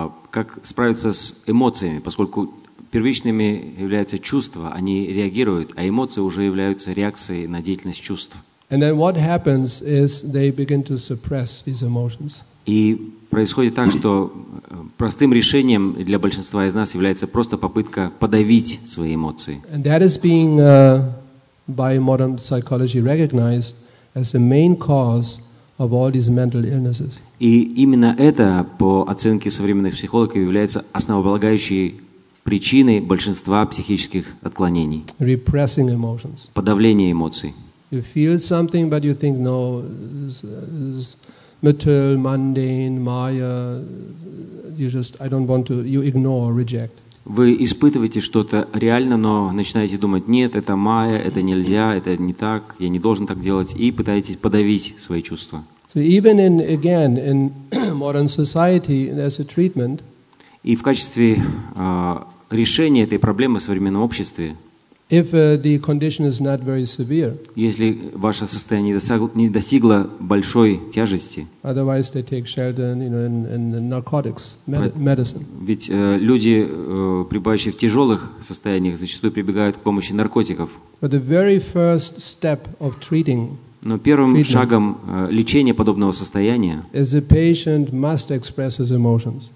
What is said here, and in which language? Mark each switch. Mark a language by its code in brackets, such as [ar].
[ru] Как справиться с эмоциями, поскольку первичными являются чувства, они реагируют, а эмоции уже являются реакцией на деятельность чувств. [en] And then what happens is they begin to suppress these emotions. [ru] И происходит так, что простым решением для большинства из нас является просто попытка подавить свои эмоции. [en] And that is being by modern psychology recognized as the main cause of all these mental illnesses. [ru] И именно это, по оценке современных психологов, является основополагающей причиной большинства психических отклонений. [en] Repressing emotions. [ru] Подавление эмоций. [en] You feel something, but you think, no, this material, mundane, maya, you just, I don't want to, you ignore, reject. [ru] Вы испытываете что-то реально, но начинаете думать: нет, это майя, это нельзя, это не так, я не должен так делать, и пытаетесь подавить свои чувства. [en] So even in, again, in modern society, there's a treatment. [ru] И в качестве решения этой проблемы в современном обществе, [en] if the condition is not very severe, [ru] если ваше состояние не достигло большой тяжести, [en] otherwise they take shelter, you know, in narcotics, medicine. [ru] Ведь люди, пребывающие в тяжелых состояниях, зачастую прибегают к помощи наркотиков. [en] But the very first step of treating, [ru] но первым шагом лечения подобного состояния, [en] is the patient must express his emotions.